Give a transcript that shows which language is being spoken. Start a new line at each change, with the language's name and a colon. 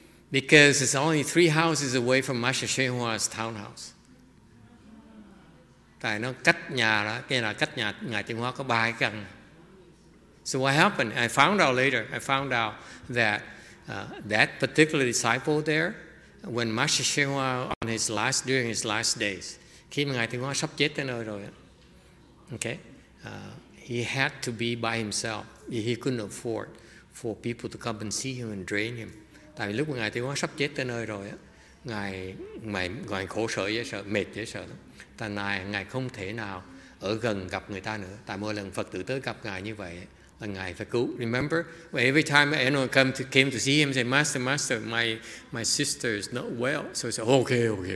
English: Because it's only 3 houses away from Master Shen Hua's townhouse.
Vietnamese: Tại nó cách nhà đó, cái là cách nhà ngài Trung Hoa có 3 căn.
English: So what happened? I found out that that particular disciple there, when Master Shen Hua during his last days,
Vietnamese: khi mà ngài Trung Hoa sắp chết tới nơi rồi,
English: okay, he had to be by himself. He couldn't afford for people to come and see him and drain him.
Vietnamese: Tại vì lúc mà ngài Tiêu Hóa sắp chết tới nơi rồi á, ngài khổ sở dễ sợ, mệt dễ sợ lắm. Tại ngài không thể nào ở gần gặp người ta nữa. Tại mỗi lần Phật tử tới gặp ngài như vậy là ngài phải cứu.
English: Remember, every time anyone came to see him, say, Master, my sister is not well. So he said, okay.